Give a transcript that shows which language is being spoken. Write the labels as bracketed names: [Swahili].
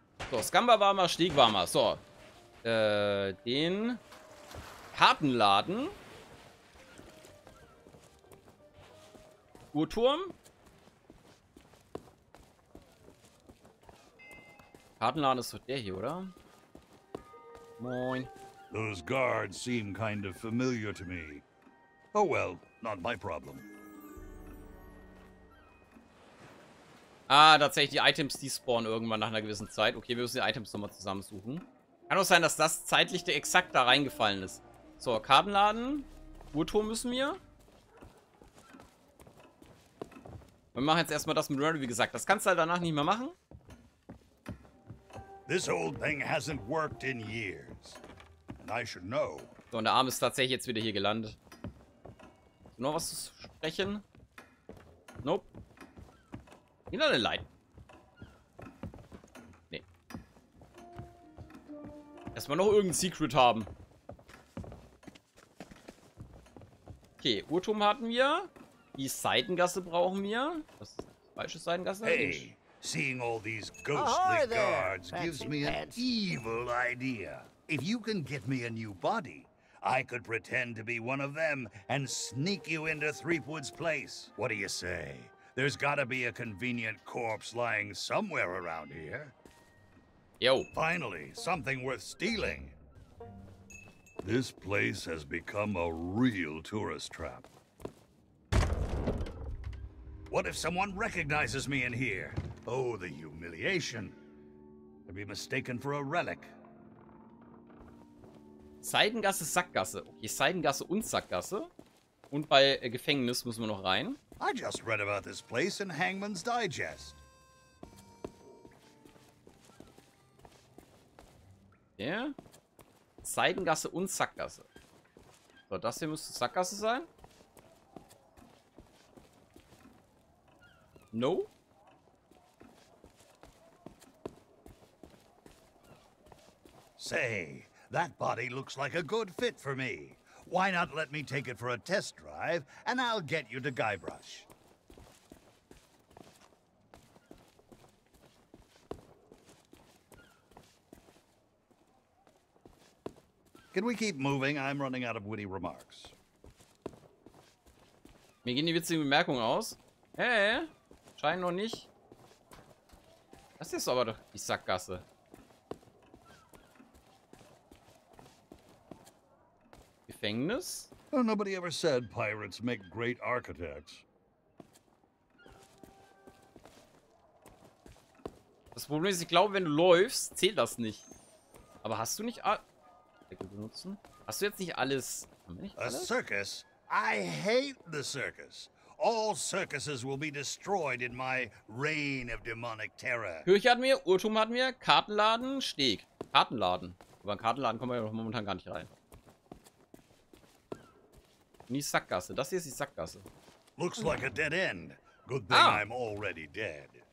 [German] So, Scamba-Warmer, Stegwarmer. So. Den Kartenladen. Uhrturm. Kartenladen ist doch der hier, oder? Moin. [English] Those guards seem kind of familiar to me. Oh well, not my problem. [German] Ah, tatsächlich, die Items, die spawnen irgendwann nach einer gewissen Zeit. Okay, wir müssen die Items nochmal zusammensuchen. Kann auch sein, dass das zeitlich der exakt da reingefallen ist. So, Kartenladen. Uhrturm müssen wir. Wir machen jetzt erstmal das mit Randy, wie gesagt. Das kannst du halt danach nicht mehr machen. [English] This old thing hasn't worked in years. And I should know. [German] So, und der Arm ist tatsächlich jetzt wieder hier gelandet. Ist noch was zu sprechen? Nope. Hier eine Leiter. Nee. Erstmal noch irgendein Secret haben. Okay, Uhrturm hatten wir. Die Seitengasse brauchen wir. Das ist die falsche Seitengasse. [English] Hey, seeing all these ghostly guards gives me an evil idea. If you can get me a new body, I could pretend to be one of them and sneak you into Threepwood's place. What do you say? There's gotta be a convenient corpse lying somewhere around here. Yo. Finally, something worth stealing. This place has become a real tourist trap. What if someone recognizes me in here? Oh, the humiliation. I'd be mistaken for a relic. [German] Seitengasse, Sackgasse. Okay, Seitengasse und Sackgasse. Und bei Gefängnis müssen wir noch rein. [English] I just read about this place in Hangman's Digest. [German] Ja. Yeah. Seitengasse und Sackgasse. So, das hier müsste Sackgasse sein. [English] No? Say, that body looks like a good fit for me. Why not let me take it for a test drive, and I'll get you to Guybrush. Can we keep moving? I'm running out of witty remarks. [German] Mir gehen die witzigen Bemerkungen aus. Hey, scheint noch nicht. Das ist aber doch die Sackgasse. Gefängnis? [English] Oh, nobody ever said pirates make great architects. [German] Das Problem ist, ich glaube, wenn du läufst, zählt das nicht. Aber hast du nicht Decke benutzen? Hast du jetzt nicht alles? [English] A circus? I hate the circus. All circuses will be destroyed in my reign of demonic terror. [German] Kirche hatten wir, Uhrturm hatten wir, Kartenladen, Steg. Kartenladen. Aber in Kartenladen kommen wir ja momentan gar nicht rein. In die Sackgasse. Das hier ist die Sackgasse. [English] Looks like a dead end. Good thing I'm already dead.